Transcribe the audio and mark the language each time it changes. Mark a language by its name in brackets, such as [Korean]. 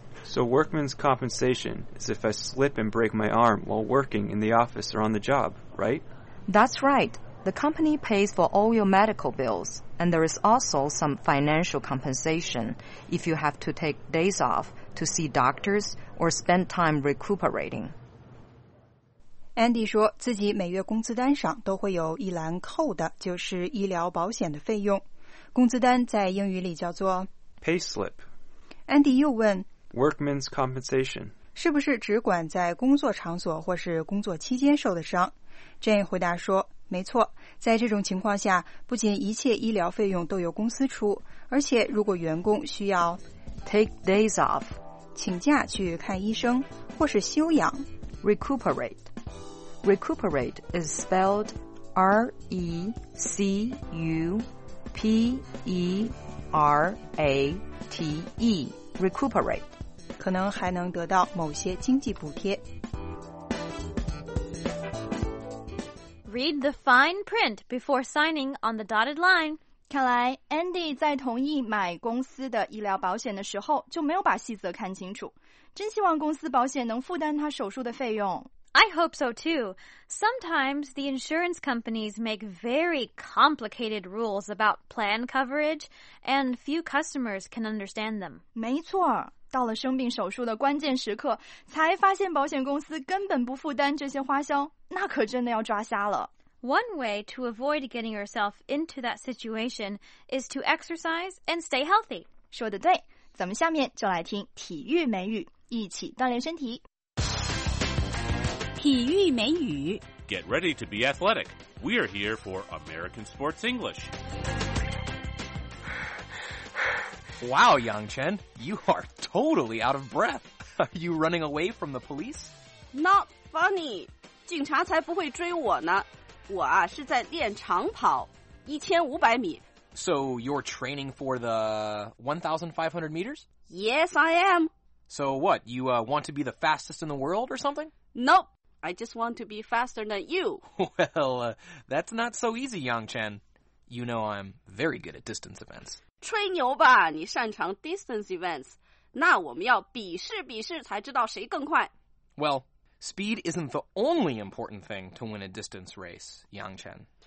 [English] So workman's compensation is if I slip and break my arm while working in the office or on the job, right? That's right. The company pays for all your medical bills, and there is also some financial compensation if you have to take days off to see doctors or spend time recuperating. [Chinese] Andy 说自己每月工资单上都会有一栏扣的，就是医疗保险的费用。工资单在英语里叫做 [English] payslip. [Chinese] Andy 又问 [English] workman's compensation [Chinese] 是不是只管在工作场所或是工作期间受的伤？ Jane 回答说没错，在这种情况下，不仅一切医疗费用都由公司出，而且如果员工需要 [English] take days off [Chinese] 请假去看医生或是休养 [English] recuperate recuperate is spelled R-E-C-U-P-E-R-A-T-E recuperate [Chinese] 可能还能得到某些经济补贴。 [English] Read the fine print before signing on the dotted line. [Chinese] 看来 Andy 在同意买公司的医疗保险的时候就没有把细则看清楚。真希望公司保险能负担他手术的费用。 [English] I hope so too. Sometimes the insurance companies make very complicated rules about plan coverage, and few customers can understand them. 没错，到了生病手术的关键时刻，才发现保险公司根本不负担这些花销，那可真的要抓瞎了。 One way to avoid getting yourself into that situation is to exercise and stay healthy. [Chinese] 说得对，咱们下面就来听体育美语，一起锻炼身体。体育美语。 [English] Get ready to be athletic. We are here for American Sports English. Wow, Yangchen, you are totally out of breath. Are you running away from the police? Not funny. [Chinese] 警察才不会追我呢。我啊是在练长跑，1500米。 [English] So you're training for the 1,500 meters? Yes, I am. So what, you want to be the fastest in the world or something? Nope. I just want to be faster than you. Well, that's not so easy, Yangchen. You know I'm very good at distance events. [Chinese] 吹牛吧，你擅长 [English] distance events. [Chinese] 那我们要比试比试才知道谁更快。 [English] Well, speed isn't the only important thing to win a distance race, Yangchen.